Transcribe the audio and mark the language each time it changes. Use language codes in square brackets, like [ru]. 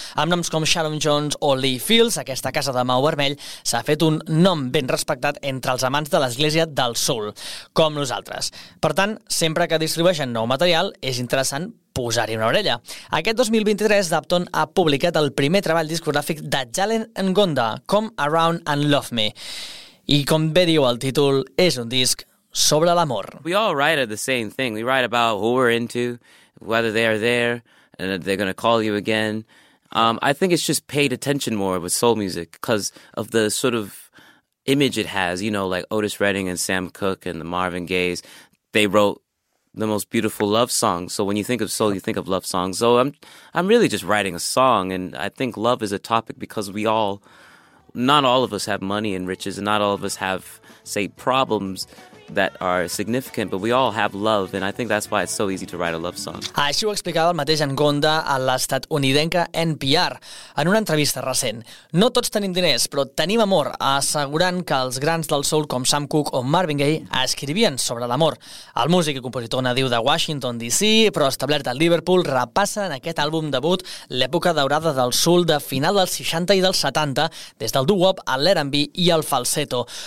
[ca] Amb noms com Sharon Jones o Lee Fields, aquesta casa de Mau Vermell s'ha fet un nom ben respectat entre els amants de l'Església del Soul, com nosaltres. Per tant, sempre que distribueixen nou material, és interessant posar-hi una orella. Aquest 2023, Dapton ha publicat el primer treball discogràfic de Jalen Ngonda, Come Around and Love Me. I com bé diu el títol, és un disc sobre l'amor. [en] We all write the same thing. We write about who we're into, whether they are there, and they're going to call you again. I think it's just paid attention more with soul music because of the sort of image it has, you know, like Otis Redding and Sam Cooke and the Marvin Gaye's. They wrote the most beautiful love songs. So when you think of soul, you think of love songs. So I'm really just writing a song, and I think love is a topic because we all, not all of us have money and riches, and not all of us have, say, problems that are significant, but we all have love, and I think that's why it's so easy to write a love song. [ca] Així ho explicava el mateix Ngonda a l'estatunidenca NPR en una entrevista recent. No tots tenim diners, però tenim amor, assegurant que els grans del soul com Sam Cooke o Marvin Gaye escrivien sobre l'amor. El músic i compositor nadiu de Washington DC, però establert a Liverpool, repassa en aquest àlbum debut l'època daurada del soul de final dels 60 i dels 70, des del doo-wop a l'R&B i al falsetto.